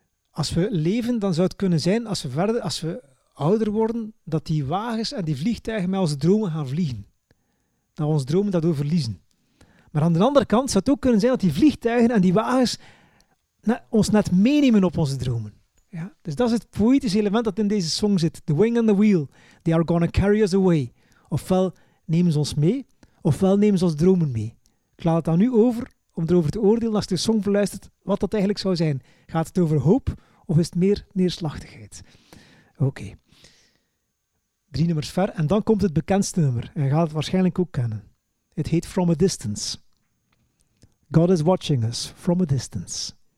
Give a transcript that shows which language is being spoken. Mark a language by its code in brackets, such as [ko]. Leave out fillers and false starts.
[nl] Als we leven, dan zou het kunnen zijn, als we ouder worden, dat die wagens en die vliegtuigen met onze dromen gaan vliegen. Dat we ons dromen daardoor verliezen. Maar aan de andere kant zou het ook kunnen zijn dat die vliegtuigen en die wagens ons net meenemen op onze dromen. Ja? Dus dat is het poëtische element dat in deze song zit. [en] The wing and the wheel, they are gonna carry us away. [nl] Ofwel nemen ze ons mee, ofwel nemen ze ons dromen mee. Ik laat het dan nu over om erover te oordelen als je de song verluistert wat dat eigenlijk zou zijn. Gaat het over hoop of is het meer neerslachtigheid? Oké. Okay. Drie nummers ver en dan komt het bekendste nummer en je gaat het waarschijnlijk ook kennen. Het heet From a Distance. [en] God is watching us from a distance.